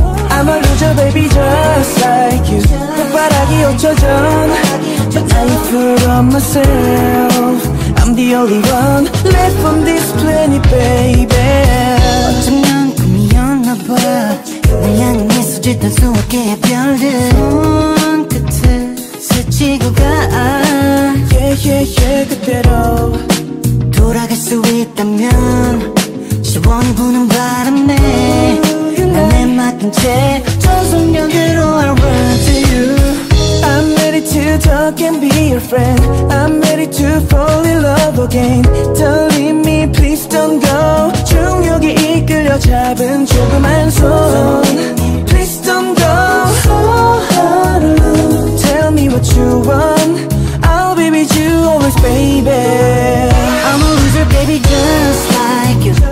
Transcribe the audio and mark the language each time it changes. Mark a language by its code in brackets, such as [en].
[en] I'm a loser baby just like you. [ko] 폭발하기 5초 전 [en] But I forgot myself. I'm the only one left from this planet baby. [ko] 어쩌면 꿈이었나 봐. 날 향해 수짓한 수억 개의 별들 손끝을 스치고 가. [en] Yeah yeah yeah [ko] 그대로 돌아갈 수 있다면 시원히 부는 바람에 날에 맡긴 채 전속력으로 [en] I run to you. I'm ready to talk and be your friend. I'm ready to fall in love again. Don't leave me please don't go. [ko] 중력이 이끌려 잡은 조그만 손 [en] please don't go. So hard to lose. Tell me what you want. I'll be with you always baby. I'm a loser baby just like you.